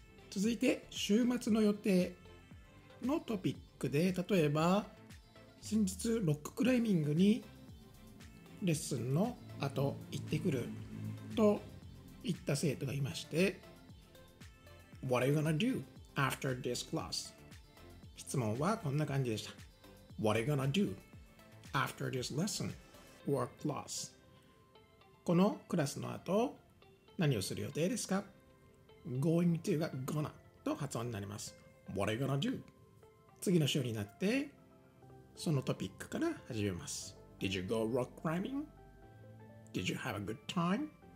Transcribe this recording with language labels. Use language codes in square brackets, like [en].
[ja] 続いて、週末の予定のトピックで、例えば、先日ロッククライミングにレッスンのあと行ってくると言った生徒がいまして、 [en] What are you gonna do after this class? [ja] 質問はこんな感じでした。 [en] What are you gonna do after this lesson or class? [ja] このクラスの後何をする予定ですか？ Going to が gonna と発音になります。 [en] What are you gonna do? [ja] 次の週になってそのトピックから始めます。 [en] Did you go rock climbing? Did you have a good time?